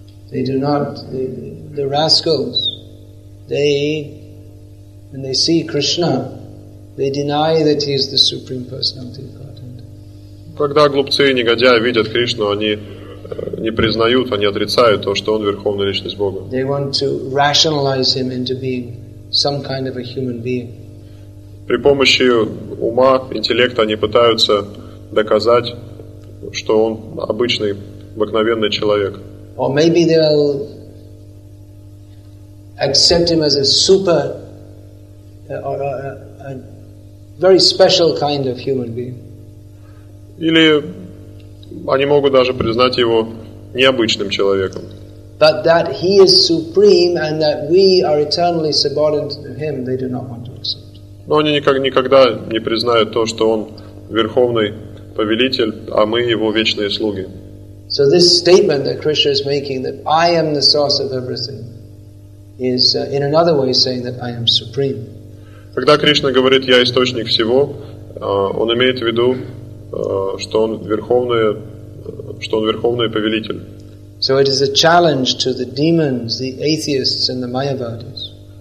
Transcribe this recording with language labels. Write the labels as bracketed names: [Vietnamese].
[English] They do not, the rascals, when they see Krishna, they deny that he is the Supreme Personality of Godhead. [Russian] Когда глупцы и негодяи видят Кришну, они не признают, они отрицают то, что он верховная личность Бога. [English] They want to rationalize him into being some kind of a human being. [Russian] При помощи ума, интеллекта они пытаются доказать, что он обычный, обыкновенный человек. [English] Or maybe they'll accept him as a super or a very special kind of human being. [Russian] Или они могут даже признать его необычным человеком. [English] But that he is supreme and that we are eternally subordinate to him, they do not want to accept. [Russian] Но они никогда не признают то, что он верховный повелитель, а мы его вечные слуги. [English] So this statement that Krishna is making, that I am the source of everything, is in another way saying that I am supreme. [Russian] Когда Кришна говорит «Я источник всего», он имеет в виду, что он верховный повелитель. [English] So it is a challenge to the demons, the atheists, and the Mayavadis.